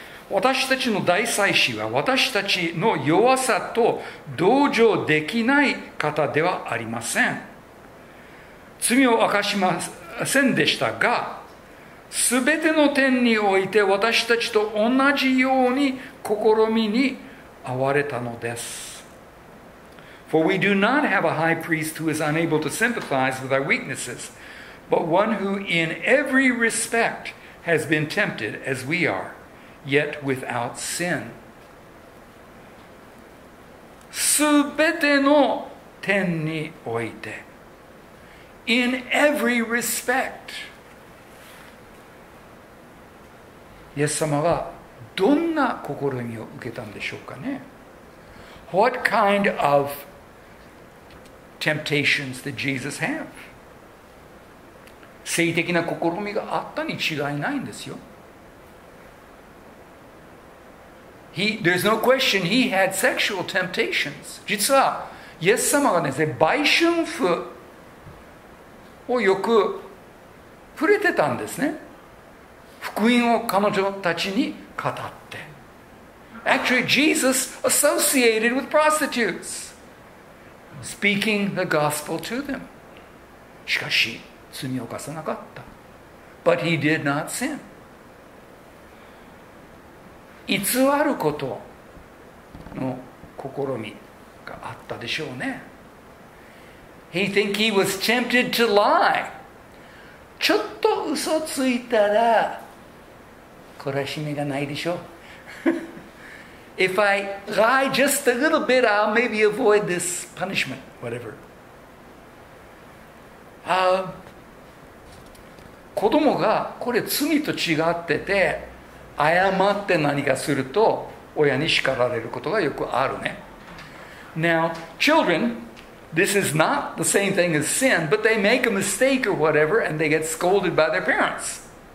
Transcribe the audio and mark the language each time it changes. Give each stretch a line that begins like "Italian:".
Japanese: 私たちの大祭司は私たちの弱さと同情できない方ではありません。罪を明かしませんでしたが、すべての点において私たちと同じように試みに遭われたのです。
English: For we do not have a high priest who is unable to sympathize with our weaknesses, but one who in every respect has been tempted as we are. Yet without sin.
Japanese: すべての点において
English: In every respect.
Japanese: イエス様はどんな試みを受けたんでしょうかね?
English: What kind of temptations did Jesus have?
Japanese: 性的な試みがあったに違いないんですよ。
English: There's no question he had sexual temptations.
Japanese: 実は、イエス様がですね、売春婦をよく触れてたんですね。福音を彼女たちに語って。
English: Actually, Jesus associated with prostitutes, speaking the gospel to them.
Japanese: しかし、罪を犯さなかった。
English: But he did not sin.
Japanese: 偽ることの試みがあったでしょうね。
English: He think he was tempted to lie.
Japanese: ちょっと嘘ついたら懲らしめがないでしょう。
English: If I lie just a little bit, I'll maybe avoid this punishment, whatever.
Japanese: 子供がこれ罪と違ってて謝って何かすると親に叱られることがよくあるね。
English: Now, children, this is not the same thing as sin, but they make a mistake or whatever and they get scolded by their parents.